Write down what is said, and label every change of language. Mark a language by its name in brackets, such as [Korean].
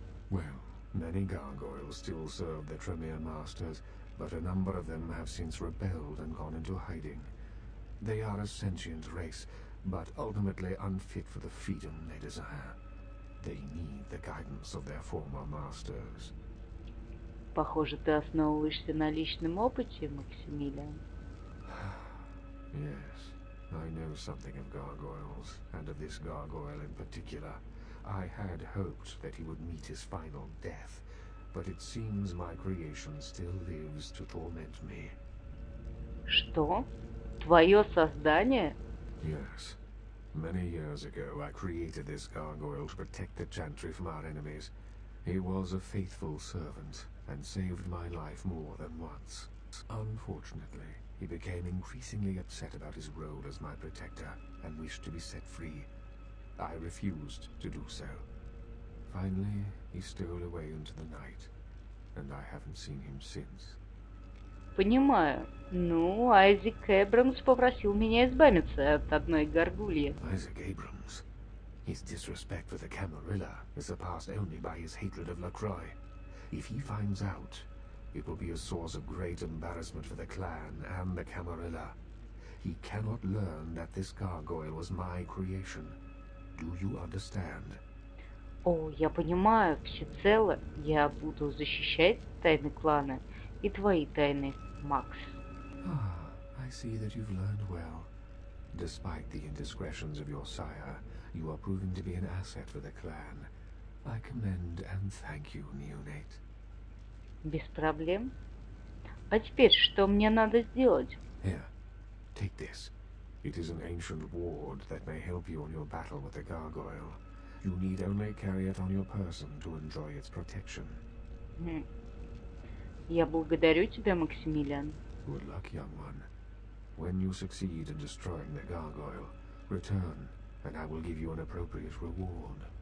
[English] Well, many gargoyles still serve the Tremere masters, but a number of them have since rebelled and gone into hiding. They are a sentient race, but ultimately unfit for the freedom they desire. They need the guidance of their former masters. [Russian] Похоже, ты основываешься на личном опыте, Максимилиан. [English] Yes, I know something of gargoyles, and of this gargoyle in particular. I had hoped that he would meet his final death, but it seems my creation still lives to torment me. [Russian] Что? Твое создание? [English] Yes. Many years ago, I created this gargoyle to protect the Chantry from our enemies. He was a faithful servant and saved my life more than once. Unfortunately, he became increasingly upset about his role as my protector and wished to be set free. I refused to do so. Finally, he stole away into the night, and I haven't seen him since. [Russian] Понимаю. Ну, Айзек Эбрамс попросил меня избавиться от одной гаргульи. [English] Айзек Эбрамс? His disrespect for the Camarilla is surpassed only by his hatred of LaCroix. If he finds out, it will be a source of great embarrassment for the clan and the Camarilla. He cannot learn that this gargoyle was my creation. Do you understand? [Russian] О, я понимаю, всецело. Я буду защищать тайны клана и твои тайны, Макс. [English] Ah, I see that you've learned well. Despite the indiscretions of your sire, you are proving to be an asset for the clan. I commend and thank you, Neonate. [Russian] Без проблем. А теперь, что мне надо сделать? [English] Here, take this. It is an ancient ward that may help you on your battle with the gargoyle. You need only carry it on your person to enjoy its protection. [Russian] Я благодарю тебя, Максимилиан. [English] Good luck, young one. When you succeed in destroying the gargoyle, return, and I will give you an appropriate reward.